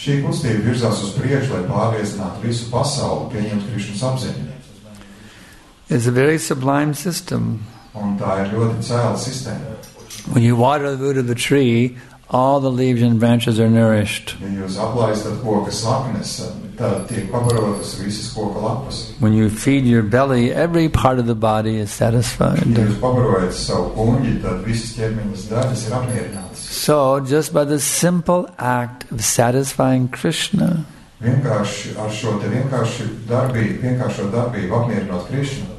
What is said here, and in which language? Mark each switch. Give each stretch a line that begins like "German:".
English: It's a very sublime system. When you water the root of the tree, all the leaves and branches are nourished.
Latvian: Ja jūs aplaistat koka saknes, tad tiek pabarotas visas koka lapas.
English: When you feed your belly, every part of the body is satisfied.
Latvian: Ja jūs pabarojat savu kuņi, tad visas ķermenis daļas ir apmierinātas.
English: So, just by the simple act of satisfying Krishna,
Latvian: vienkārši ar šo te vienkārši darbību, vienkāršo darbību apmierinot Krishna,